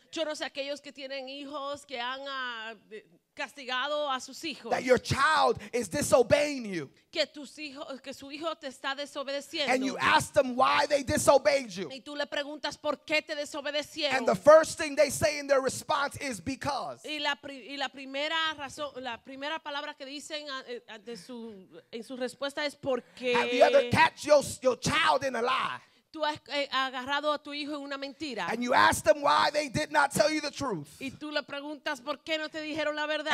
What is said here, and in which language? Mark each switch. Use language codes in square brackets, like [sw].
[es] Yo no sé aquellos que tienen hijos que han castigado a sus hijos. [en] That your child is disobeying you. [es] Que tus hijos, que su hijo te está desobedeciendo. [en] And you ask them why they disobeyed you. [es] Y tú le preguntas por qué te desobedecieron. [en] And the first thing they say in their response is because. [es] Y la primera palabra que dicen en su respuesta es porque. [en] Have you ever catch your child in a lie? [es] Tú has agarrado a tu hijo en una mentira. [en] And you ask them why they did not tell you the truth. [es] Y tú le preguntas por qué no te dijeron la verdad.